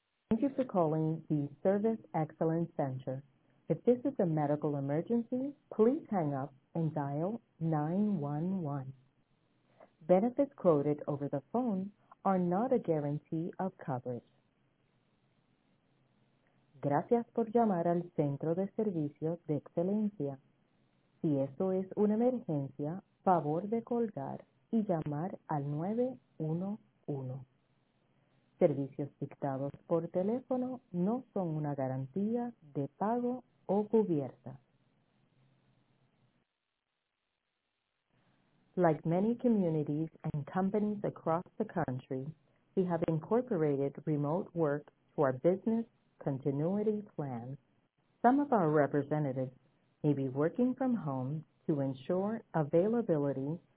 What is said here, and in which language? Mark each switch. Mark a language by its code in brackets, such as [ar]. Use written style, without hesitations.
[en] Thank you for calling the Service Excellence Center. If this is a medical emergency, please hang up and dial 911. Benefits quoted over the phone are not a guarantee of coverage. [es] Gracias por llamar al Centro de Servicios de Excelencia. Si esto es una emergencia, favor de colgar y llamar al 911. Servicios dictados por teléfono no son una garantía de pago o cubierta. [en] Like many communities and companies across the country, we have incorporated remote work to our business continuity plan. Some of our representatives may be working from home to ensure availability